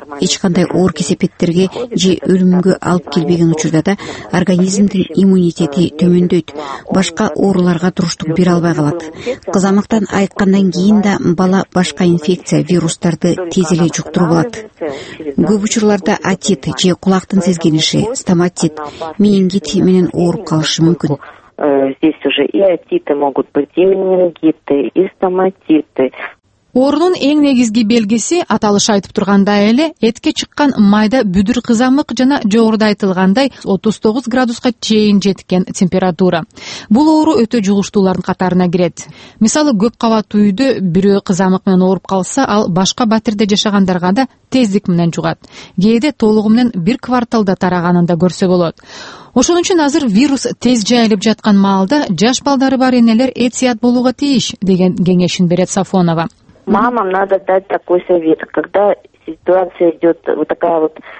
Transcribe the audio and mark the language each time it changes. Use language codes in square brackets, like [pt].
[ky] Эч кандай оор кесепеттерге же өлүмгө алып келбеген учурда да организмдин иммунитети төмөндөйт, башка ооруларга туруштук бере албай калат. Кызамыктан айыккандан кийин да бала башка инфекция, вирустарды тез эле жуктуруп алат. Көп учурларда отит же кулактын сезгениши, стоматит, менингит менен ооруп калышы мүмкүн. [ru] Здесь уже и отиты могут быть, и менингиты, и стоматиты. [ky] Оорунун эң негизги белгиси аталышы айтып тургандай эле этке чыккан майда бүдүр кызамык жана жогоруда айтылгандай 39 градуска чейин жеткен температура. Бул оору өтө жугуштуулардын катарына кирет. Мисалы, көп кабаттуу үйдө бирөө кызамык менен ооруп калса, ал башка батирде жашагандарга да тездик менен жугат. Кээде толугу менен бир кварталда тараганын да көрсө болот. Ошон үчүн азыр вирус тез жайылып жаткан маалда жаш балдары бар энелер эт сыят болууга тийиш деген кеңешин берет Сафонова. [ru] Мамам надо дать такой совет, когда ситуация идет вот такая вот